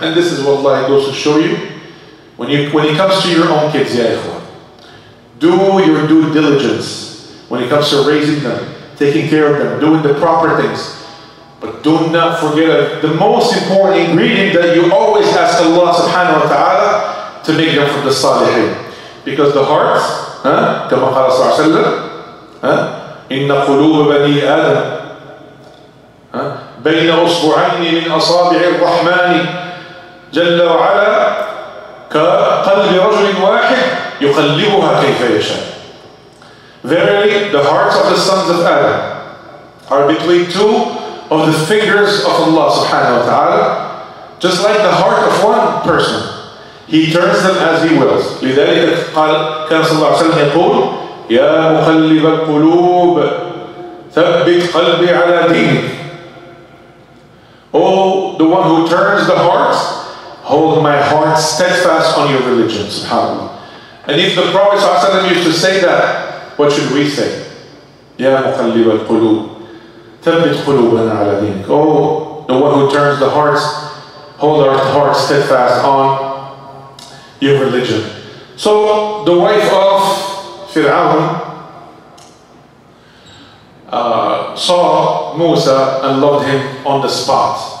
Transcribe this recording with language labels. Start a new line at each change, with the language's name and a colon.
English: And this is what Allah goes to show you. When it comes to your own kids, ya ikhwan, do your due diligence when it comes to raising them, taking care of them, doing the proper things. But do not forget the most important ingredient that you always ask Allah subhanahu wa ta'ala to make them from the salihin. Because the heart,
Arabic: كما قال صلى الله عليه وسلم, إن قلوب بني آدم بين أصبعين من أصابع الرحمن جل وعلا كقلب رجل واحد يقلبها كيف يشاء.
English: Verily, the hearts of the sons of Adam are between two of the fingers of Allah subhanahu wa ta'ala, just like the heart of one person. He turns them as he wills.
Arabic: لذلك قال كان صلى الله عليه وسلم يقول يا مقلب القلوب ثبت قلبي على دينك.
English: Oh, the one who turns the heart, hold my heart steadfast on your religion, subhanAllah. And if the Prophet صلى الله عليه وسلم used to say that, what should we say?
Arabic: يا مقلب القلوب ثبت قلوبنا على دينك.
English: Oh, the one who turns the hearts, hold our hearts steadfast on your religion. So the wife of Fir'aun saw Musa and loved him on the spot.